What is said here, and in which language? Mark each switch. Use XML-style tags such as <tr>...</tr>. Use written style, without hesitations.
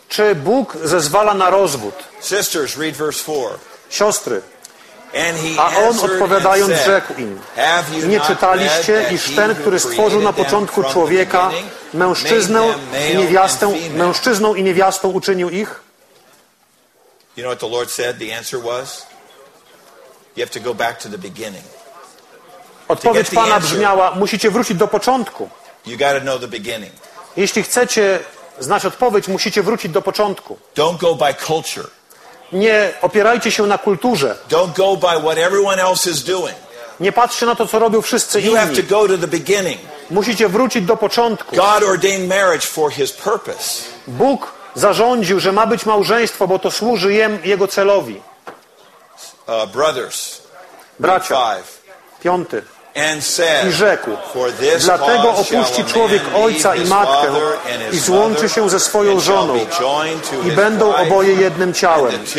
<pl>Czy Bóg zezwala na rozwód?</pl> <en>Sisters, read verse 4.</en> <pl>Siostry.</pl> <en>And he</en> <pl>a on odpowiadając rzekł im, nie czytaliście, iż ten, który stworzył na początku człowieka, mężczyznę i niewiastę, mężczyzną i niewiastą uczynił ich?</pl> <en>You know what the Lord said? The answer was, you have to go back to the beginning.</en> <pl>Odpowiedź Pana brzmiała, musicie wrócić do początku.</pl> <en>You got to know the beginning.</en> <pl>Jeśli chcecie znać odpowiedź, musicie wrócić do początku.</pl> <en>Don't go by culture.</en> <pl>Nie opierajcie się na kulturze.</pl> <en>Don't go by what everyone else is doing.</en> <pl>Nie patrzcie na to, co robią wszyscy</pl> <en>you</en> <pl>inni.</pl> <en>Have to go to the beginning.</en> <pl>Musicie wrócić do początku.</pl> <en>God ordained marriage for his purpose.</en> <pl>Bóg zarządził, że ma być małżeństwo, bo to służy jego celowi.</pl> <en>Brothers,</en> <pl>bracia, piąty. I rzekł, dlatego opuści człowiek ojca i matkę i złączy się ze swoją żoną i będą oboje jednym ciałem.</pl>